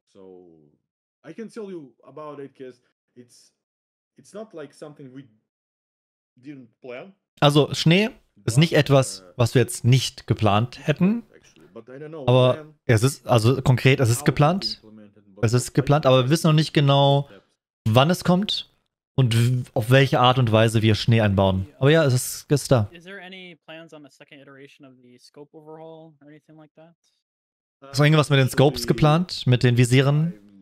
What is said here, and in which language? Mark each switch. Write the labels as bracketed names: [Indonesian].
[English] So I can tell you about it because it's not like something we didn't plan. [German] Also Schnee ist nicht etwas, was wir jetzt nicht geplant hätten. Aber es ist, also konkret, es ist geplant. Es ist geplant, aber wir wissen noch nicht genau, wann es kommt. Und auf welche Art und Weise wir Schnee einbauen. Aber ja, es ist gestern. [English] Is there any plans on a second iteration of the scope overhaul or anything like that? [German] Ist noch irgendwas mit den Scopes geplant, mit den Visieren?